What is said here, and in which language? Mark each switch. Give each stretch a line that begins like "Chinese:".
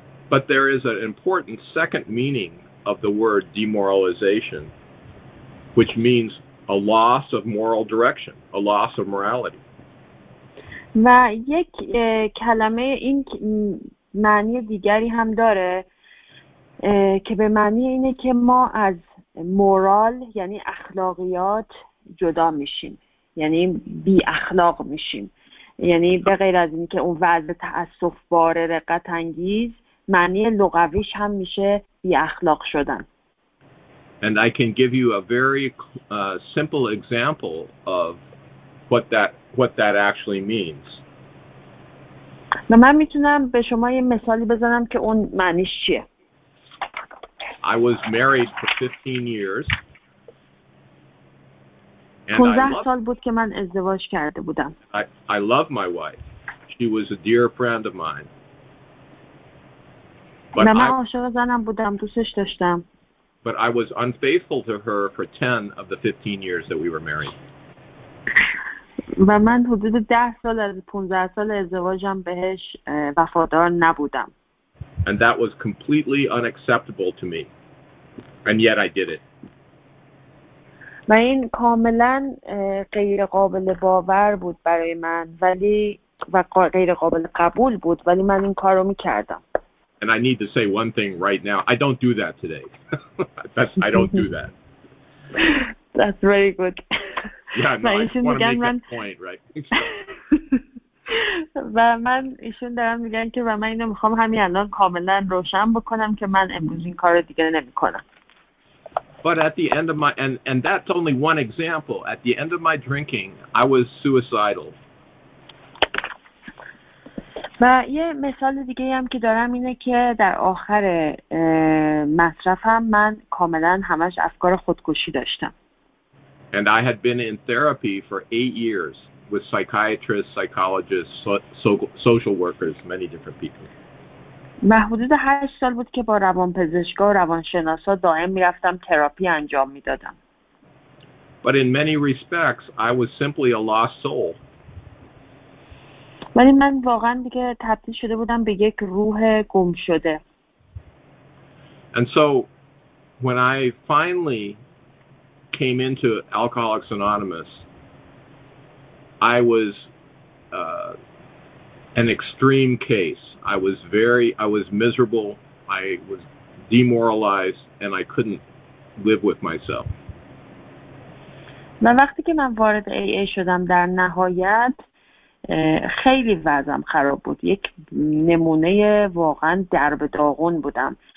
English: But there is an important second meaning of the word demoralization, which means a loss of moral direction, a loss of morality.
Persian: و یک کلمه این معنی دیگری هم داره که به معنی اینه که ما از مورال یعنی اخلاقیات جدا میشیم، یعنی بی اخلاق میشیم، یعنی به غیر از اینکه اون وضع تأسف بار رقت انگیز معنی لغویش هم میشه بی اخلاق شدن.
English: And I can give you a very simple example of what that actually means.
Persian: من میتونم به شما یه مثالی بزنم که اون معنیش چیه.
English: I was married for 15 years.
Persian: And 15 سال بود که من ازدواج کرده بودم.
English: I love my wife. She was a dear friend of mine.
Persian: But من عاشق زنم بودم، دوستش داشتم.
English: But I was unfaithful to her for 10 of the 15 years that we were married.
Persian: و من حدود 10 سال از 15 سال ازدواجم بهش وفادار نبودم.
English: And that was completely unacceptable to me. And yet I did it.
Persian: و این کاملا غیر قابل باور بود برای من ولی و غیر قابل قبول بود ولی من این کار رو میکردم.
English: And I need to say one thing right now. I don't do that today. I don't do that. That's very good. Yeah, no, I just want to make that point, right?
Persian: و من ایشون دارم میگن که و من اینو میخوام همین الان کاملا روشن بکنم که من امروز این کار رو دیگه نمی کنم.
English: But at the end of my and that's only one example. At the end of my drinking, I was suicidal.
Persian: و یه مثال دیگه هم که دارم اینه که در آخر مصرفم من کاملا همش افکار خودکشی داشتم.
English: And I had been in therapy for 8 years with psychiatrists, psychologists, social workers, many different people.
Persian: ما حدود 8 سال بود که با روانپزشکا و روانشناسا دائم می‌رفتم تراپی انجام می‌دادم.
English: But in many respects, I was simply a lost soul.
Persian: ولی من واقعا دیگه تبدیل شده بودم به یک روح گم شده.
English: And so when I finally came into Alcoholics Anonymous, I was an extreme case. I was miserable, I was demoralized, and I couldn't live with myself.
Persian: و وقتی که من وارد AA شدم در نهایت خیلی وضعم خراب بود. یک نمونه واقعا درب داغون بودم.